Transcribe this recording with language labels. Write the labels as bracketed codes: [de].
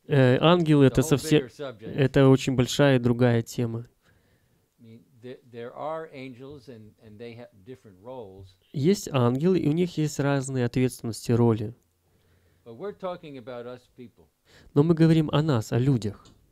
[ru] Ангелы — это совсем, это очень большая и другая тема. [en] There are angels and they have different roles. [ru] Есть ангелы, и у них есть разные ответственности, роли. [en] But we're talking about us people. [ru] Но мы говорим о нас, о людях.